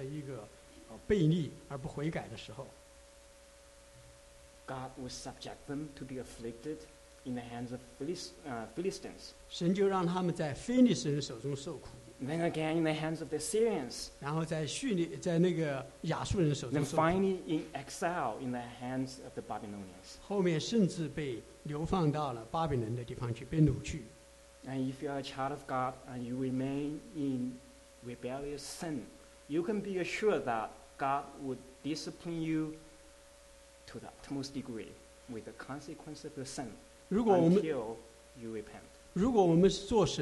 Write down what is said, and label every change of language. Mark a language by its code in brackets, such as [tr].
[zh] 特别是当他们一直保持着一个悖逆而不悔改的时候, [en] God would subject them to be afflicted in the hands of Philistines. [zh] 神就让他们在非利士人手中受苦。 [en] Then again in the hands of the Syrians. [zh] 然后在那个亚述人手中受苦。 [en] Then finally in exile in the hands of the Babylonians. [zh] 后面甚至被流放到了巴比伦的地方去，被掳去。 [en] And if you are a child of God and you remain in rebellious sin, you can be assured that God would discipline you to the utmost degree with the consequence of the sin until you repent.